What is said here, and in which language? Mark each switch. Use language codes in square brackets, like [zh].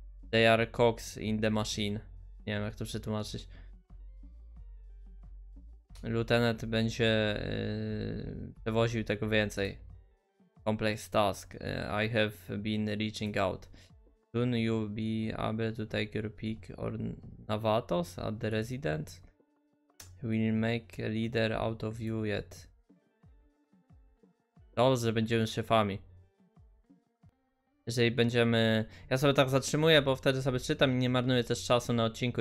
[en] They are cogs in the machine. [pl] Nie wiem, jak to przetłumaczyć. Lieutenant będzie przewoził tego więcej. [en] Complex task. I have been reaching out. Soon you be able to take your pick or Navatos at the residence. We'll make a leader out of you yet. [pl] Dobrze, będziemy szefami. Jeżeli będziemy... Ja sobie tak zatrzymuję, bo wtedy sobie czytam i nie marnuję też czasu na odcinku.